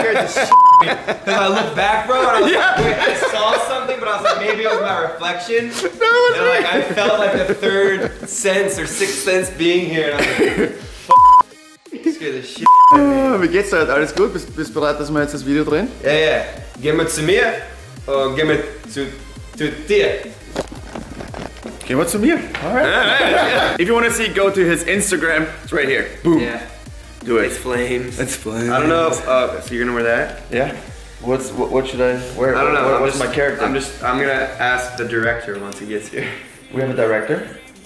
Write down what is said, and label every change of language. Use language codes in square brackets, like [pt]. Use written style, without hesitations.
[en] Scared the shit. I looked back, bro, and I was like, wait, I saw something, but I was like, maybe it was my reflection. That was and, like, I felt like a third sense or sixth sense being here, and I was like, fuck. Scared the shit. [de] Wie geht's dir? Alles gut? Bist bereit, dass wir jetzt das Video drehen? Ja, ja. Geh mal zu mir und geh mal zu dir. Geh mal zu mir. [en] Alright. If you want to see, go to his Instagram. It's right here. Boom. Yeah. Do it. It's flames. It's flames. I don't know if, so you're gonna wear that? Yeah. What should I wear? I don't know. What's my character? I'm gonna ask the director once he gets here. We have a director?